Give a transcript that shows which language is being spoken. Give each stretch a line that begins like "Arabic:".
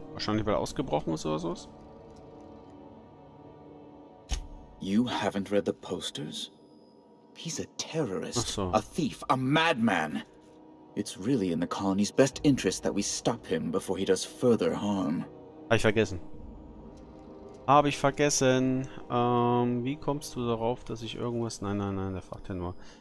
German: Wahrscheinlich, weil er ausgebrochen ist oder sowas?
English: You haven't read the posters? He's a terrorist.
German: Ach so.
English: A thief, a madman. It's really in the colony's best interest that we stop him before he does further harm.
German: Habe ich vergessen. Wie kommst du darauf, dass ich irgendwas... Nein, der fragt ja nur.